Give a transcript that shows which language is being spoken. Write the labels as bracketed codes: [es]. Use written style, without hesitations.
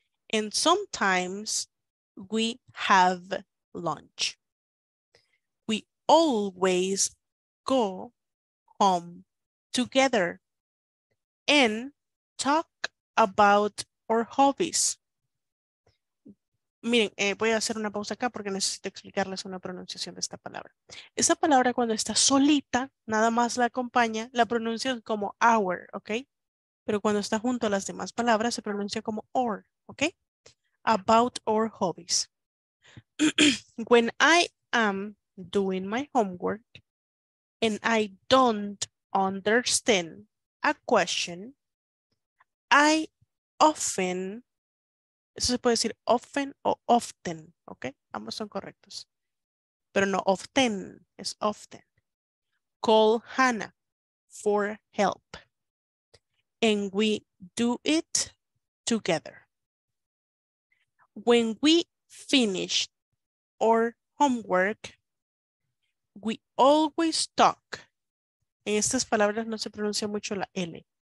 [en] And sometimes we have lunch. We always go home together and talk about our hobbies. [es] Miren, voy a hacer una pausa acá porque necesito explicarles una pronunciación de esta palabra. Esta palabra cuando está solita, nada más la acompaña, la pronuncian como our, ¿ok? Pero cuando está junto a las demás palabras, se pronuncia como or, ¿ok? [en] About our hobbies. When I am doing my homework and I don't understand a question, I often, [es] eso se puede decir often o often, ¿ok? Ambos son correctos. Pero no often, es often. [en] Call Hannah for help. And we do it together. When we finish our homework, we always talk. [es] En estas palabras no se pronuncia mucho la L.